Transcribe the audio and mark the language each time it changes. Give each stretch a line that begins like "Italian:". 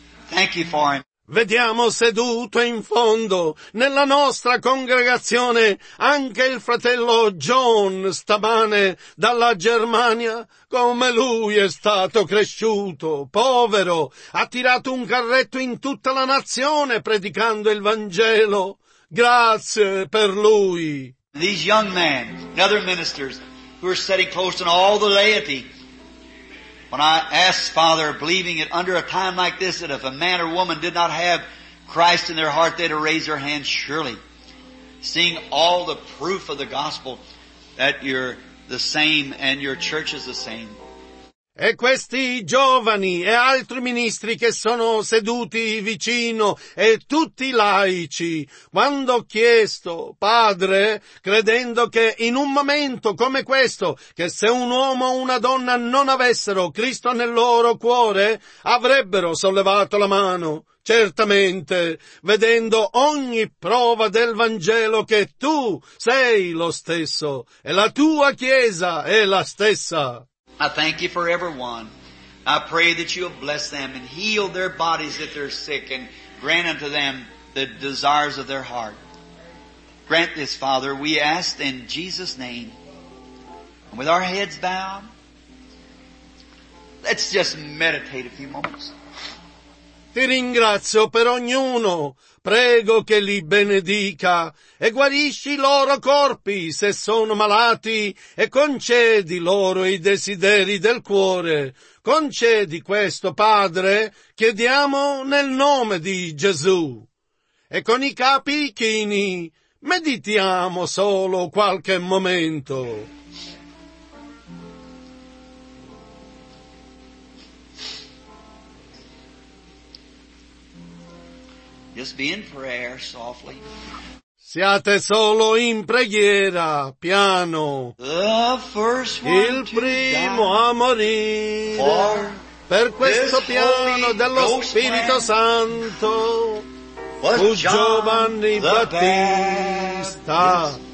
English: Thank you for him.
Italian: Vediamo seduto in fondo, nella nostra congregazione, anche il fratello John Stamane, dalla Germania, come lui è stato cresciuto, povero, ha tirato un carretto in tutta la nazione, predicando il Vangelo. Grazie per lui.
English: These young men, and other ministers, who are sitting close to all the laity. When I asked Father, believing it under a time like this, that if a man or woman did not have Christ in their heart, they'd raise their hand surely. Seeing all the proof of the gospel that you're the same and your church is the same.
Italian: E questi giovani e altri ministri che sono seduti vicino e tutti laici, quando ho chiesto, Padre, credendo che in un momento come questo, che se un uomo o una donna non avessero Cristo nel loro cuore, avrebbero sollevato la mano. Certamente, vedendo ogni prova del Vangelo che tu sei lo stesso e la tua Chiesa è la stessa.
English: I thank you for everyone. I pray that you'll bless them and heal their bodies if they're sick and grant unto them the desires of their heart. Grant this, Father, we ask in Jesus' name. And with our heads bowed, let's just meditate a few moments.
Italian: Ti ringrazio per ognuno. Prego che li benedica e guarisci i loro corpi se sono malati e concedi loro i desideri del cuore. Concedi questo, Padre, chiediamo nel nome di Gesù. E con i capi chini meditiamo solo qualche momento.
English: Just be in prayer, softly.
Italian: Siate solo in preghiera, piano.
English: The first one
Italian: il primo
English: to die
Italian: a morire per questo piano dello Spirito Santo fu Giovanni Battista.